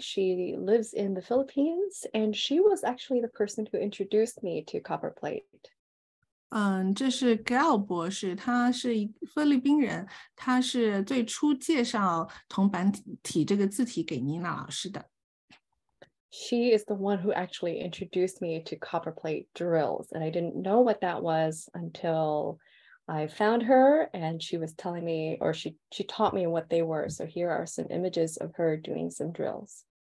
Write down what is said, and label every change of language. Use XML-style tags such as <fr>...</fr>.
<en>She lives in the Philippines, and she was actually the person who introduced me to copper plate.</en> <zh>这是Gail博士，她是菲律宾人，她是最初介绍铜板体这个字体给妮娜老师的。</zh> <en>She is the one who actually introduced me to copper plate drills, and I didn't know what that was until I found her and she was telling me, or she taught me what they were. So here are some images of her doing some drills.</en>